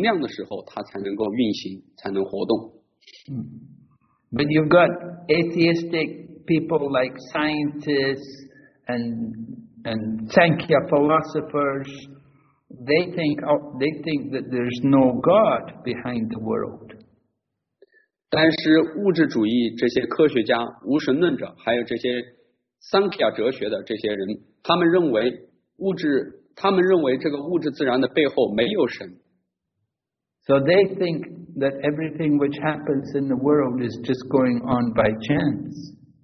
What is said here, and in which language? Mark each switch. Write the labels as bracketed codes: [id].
[zh] 这一件事里面还有一个要点，就是说物质能量它不是自动运行的，它必须由主注入它的能量的时候，它才能够运行，才能活动。 [en] But you've got atheistic people like scientists and Sankhya philosophers. They think that there's no God behind the world. [zh] 但是物质主义这些科学家、无神论者，还有这些桑提亚哲学的这些人，他们认为物质，他们认为这个物质自然的背后没有神。 [en] So they think that everything which happens in the world is just going on by chance.